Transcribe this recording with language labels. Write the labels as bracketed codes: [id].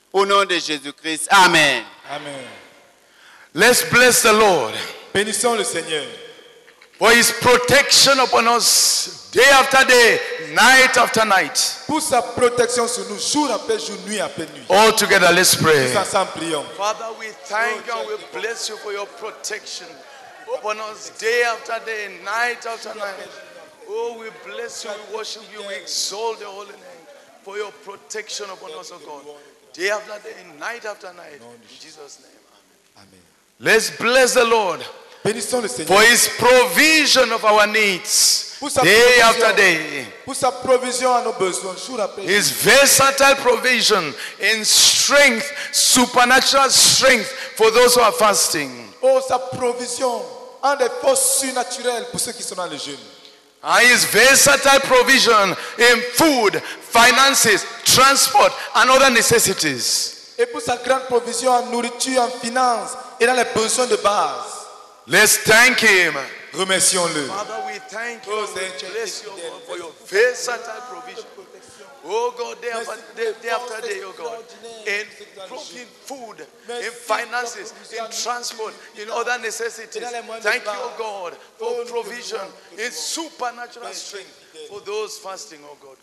[fr] Au nom de Jésus-Christ. Amen. Amen. [en] Let's bless the Lord. [fr] Bénissons le Seigneur. [en] For his protection upon us, day after day, night after night. [fr] Pour sa protection sur nous, jour après jour, nuit après nuit. [en] All together, let's pray. [fr] Tous ensemble, prions. [en] Father, we thank you and we bless you for your protection upon us, day after day, night after night. Oh, we bless you, we worship you, we exalt the holy name for your protection upon us, O God. Day after day, night after night. In Jesus' name, amen. Let's bless the Lord. [fr] Bénissons le Seigneur. [en] For his provision of our needs, day after day. [fr] Pour sa provision à nos besoins, jour après. [en] His versatile provision in strength, supernatural strength for those who are fasting. [fr] Oh, sa provision en des forces surnaturelles pour ceux qui sont dans le jeûne. [en] And his versatile provision in food, finances, transport, and other necessities. [fr] Et pour sa grande provision en nourriture, en finances et dans les besoins de base. [en] Let's thank him. [fr] Remercions-le. [en] Father, we thank you. Oh, we bless you, God, for your versatile provision. Oh God, day after day, oh God, in providing food, in finances, in transport, in other necessities. Thank you, oh God, for provision, in supernatural strength for those fasting, oh God.